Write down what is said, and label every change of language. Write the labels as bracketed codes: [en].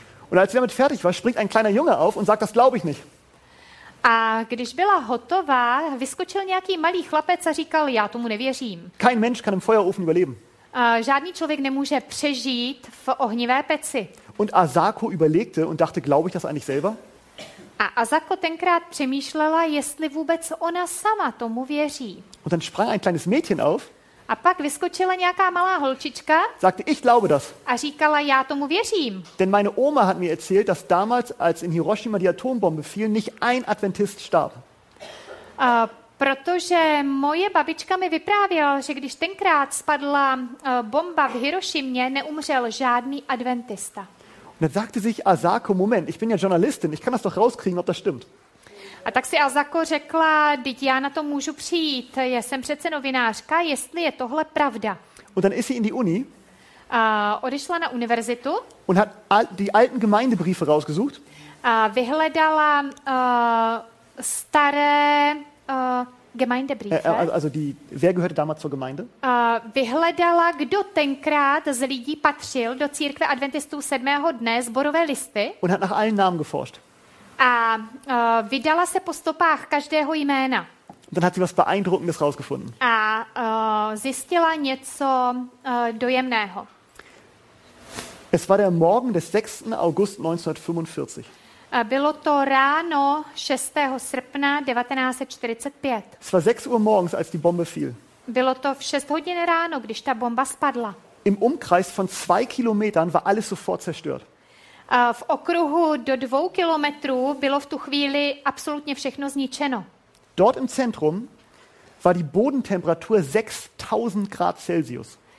[de] Und als sie damit fertig war, springt ein kleiner Junge auf und sagt, das glaube ich nicht. [cs] A když byla hotová, vyskočil nějaký malý chlapec a říkal, já tomu nevěřím. [de] Kein Mensch kann im Feuerofen überleben. [cs] žádný člověk nemůže přežít v ohnivé peci. [de] Und Asako überlegte und dachte, glaube ich das eigentlich selber? [cs] A Asako tenkrát přemýšlela, jestli vůbec ona sama tomu věří. [de] Und dann sprang ein kleines Mädchen auf. [cs] A pak vyskočila nějaká malá holčička. [de] Sagte, ich glaube das. [cs] A říkala, já tomu věřím. [de] Denn meine Oma hat mir erzählt, dass damals, als in Hiroshima die Atombombe fiel, nicht ein Adventist starb. [cs] Protože moje babička mi vyprávěla, že když tenkrát spadla bomba v Hirošimě, neumřel žádný adventista. [de] Und dann sagte sich Asako, Moment, ich bin ja Journalistin, ich kann das doch rauskriegen, ob das stimmt. [cs] A tak si Asako řekla, teď já na to můžu přijít, já jsem přece novinářka, jestli je tohle pravda. [de] Und dann ist sie in die Uni. [cs] A odešla na univerzitu. [de] Und hat die alten Gemeindebriefe rausgesucht. [cs] A vyhledala staré Gemeindebriefe. [de] Also die, wer gehörte damals zur Gemeinde? [cs] Vyhledala, kdo tenkrát z lidí patřil do církve adventistů 7. dne, zborové listy. [de] Und hat nach allen Namen geforscht. [cs] A vydala se po stopách každého jména. [de] Dann hat sie was Beeindruckendes rausgefunden. [cs] A zjistila něco dojemného. [de] Es war der Morgen des 6. August 1945. [cs] Bylo to ráno 6. srpna 1945. [de] Es war 6 Uhr morgens, als die Bombe fiel. [cs] Bylo to v 6 hodin ráno, když ta bomba spadla. [de] Im Umkreis von 2 Kilometern war alles sofort zerstört. [cs] V okruhu do 2 kilometrů bylo v tu chvíli absolutně všechno zničeno. [de] Dort im Zentrum war die Bodentemperatur 6000 Grad Celsius.